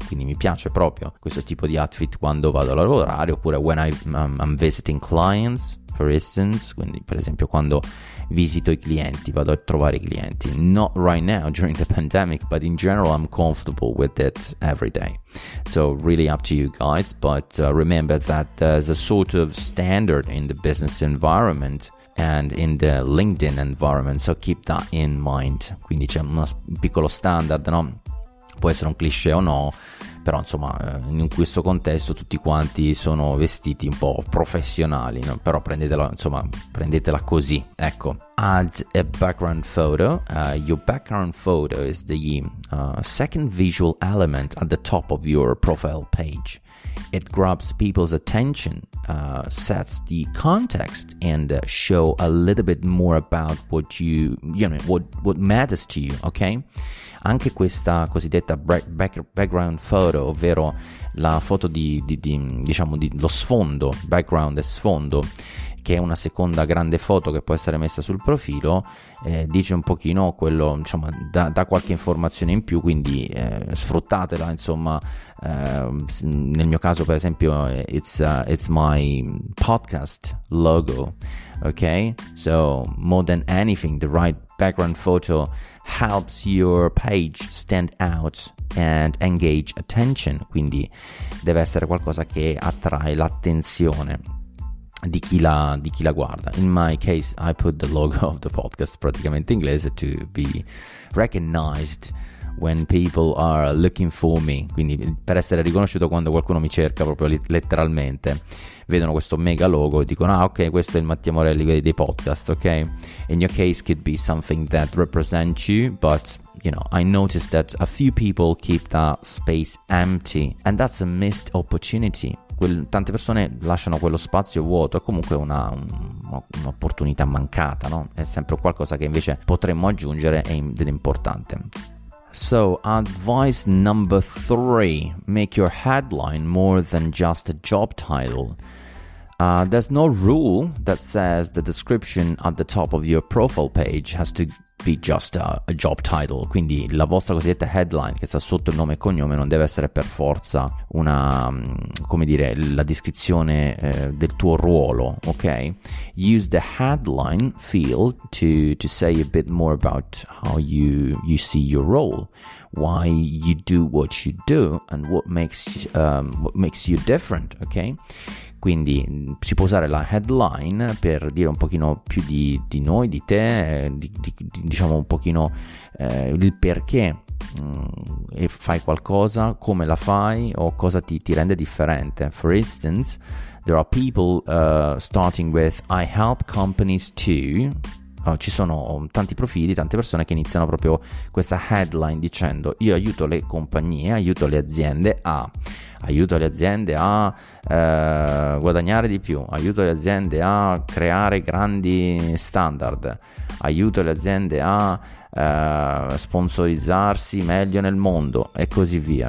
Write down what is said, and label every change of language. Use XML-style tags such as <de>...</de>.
<it>Quindi mi piace proprio questo tipo di outfit quando vado a lavorare, oppure</it> <en>when I'm visiting clients, for instance.</en> <it>Quindi per esempio quando visito i clienti, vado a trovare i clienti.</it> <en>Not right now during the pandemic, but in general I'm comfortable with it every day. So really up to you guys, but remember that there's a sort of standard in the business environment and in the LinkedIn environment, so keep that in mind.</en> <it>Quindi c'è un piccolo standard, no? Può essere un cliché o no, però insomma in questo contesto tutti quanti sono vestiti un po' professionali, no? Però prendetela così, ecco.</it> <en>Add a background photo. Your background photo is the second visual element at the top of your profile page. It grabs people's attention, sets the context, and show a little bit more about what what matters to you, okay?</en> <it>Anche questa cosiddetta background photo, ovvero la foto lo sfondo, background e sfondo, che è una seconda grande foto che può essere messa sul profilo, dice un pochino quello, insomma, dà qualche informazione in più, quindi sfruttatela, insomma. Nel mio caso per esempio</it> <en>it's my podcast logo, okay? So more than anything, the right background photo helps your page stand out and engage attention.</en> <it>Quindi deve essere qualcosa che attrae l'attenzione di chi la guarda.</it> <en>In my case I put the logo of the podcast Praticamente Inglese to be recognized when people are looking for me.</en> <it>Quindi per essere riconosciuto quando qualcuno mi cerca, proprio letteralmente vedono questo mega logo e dicono: ah, ok, questo è il Mattia Morelli dei podcast, ok?</it> <en>In your case could be something that represents you, but you know, I noticed that a few people keep that space empty, and that's a missed opportunity.</en> <it>Tante persone lasciano quello spazio vuoto, è comunque un'opportunità mancata, no? È sempre qualcosa che invece potremmo aggiungere ed è importante.</it> <en>So, advice number 3, make your headline more than just a job title. There's no rule that says the description at the top of your profile page has to be just a job title.</en> <it>Quindi la vostra cosiddetta headline, che sta sotto il nome e cognome, non deve essere per forza una, come dire, la descrizione del tuo ruolo, ok?</it> <en>Use the headline field to say a bit more about how you see your role, why you do what you do, and what makes you different, ok?</en> <it>Quindi si può usare la headline per dire un pochino più di noi, di te, diciamo un pochino il perché e fai qualcosa, come la fai o cosa ti rende differente.</it> <en>For instance, there are people starting with I help companies too.</en> <it>Ci sono tanti profili, tante persone che iniziano proprio questa headline dicendo: io aiuto le compagnie, aiuto le aziende a... aiuto le aziende a guadagnare di più, aiuto le aziende a creare grandi standard, aiuto le aziende a sponsorizzarsi meglio nel mondo, e così via.</it>